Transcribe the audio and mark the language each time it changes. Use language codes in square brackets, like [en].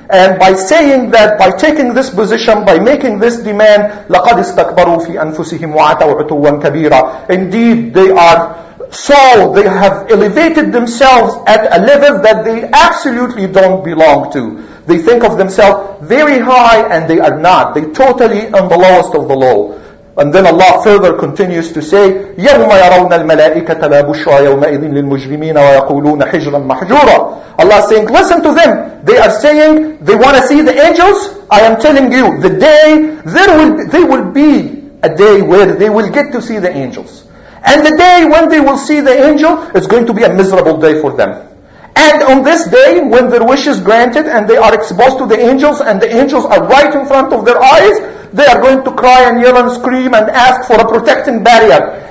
[en] And by saying that, by taking this position, by making this demand, [ar] لَقَدْ اسْتَكْبَرُوا فِي أَنفُسِهِمْ وَعَتَوْ عُتُوًّا كَبِيرًا, [en] indeed they are, so they have elevated themselves at a level that they absolutely don't belong to. They think of themselves very high and they are not. They totally on the lowest of the low. And then Allah further continues to say, [ar] يَوْمَ يَرَوْنَ الْمَلَائِكَةَ لَا بُشْرَى يَوْمَئِذٍ لِلْمُجْرِمِينَ وَيَقُولُونَ حِجْرًا مَحْجُورًا. [en] Allah is saying, listen to them. They are saying, they want to see the angels. I am telling you, the day, there will be a day where they will get to see the angels. And the day when they will see the angel, it's going to be a miserable day for them. And on this day, when their wish is granted and they are exposed to the angels and the angels are right in front of their eyes, they are going to cry and yell and scream and ask for a protecting barrier.